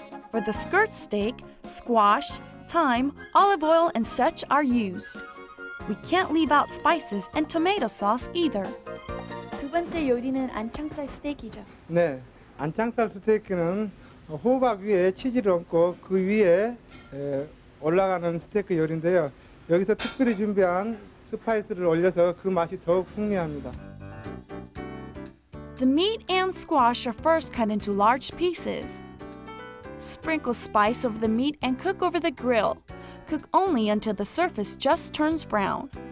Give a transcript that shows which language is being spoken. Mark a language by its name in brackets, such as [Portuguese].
[English] For the skirt steak, squash, thyme, olive oil, and such are used. We can't leave out spices and tomato sauce either. [Korean] 두 번째 요리는 안창살 스테이크죠? 네, 안창살 스테이크는 호박 위에 치즈를 얹고 그 위에 올라가는 스테이크 요리인데요. 여기서 특별히 준비한 스파이스를 올려서 그 맛이 더욱 풍미합니다. [English] The meat and squash are first cut into large pieces. Sprinkle spice over the meat and cook over the grill. Cook only until the surface just turns brown.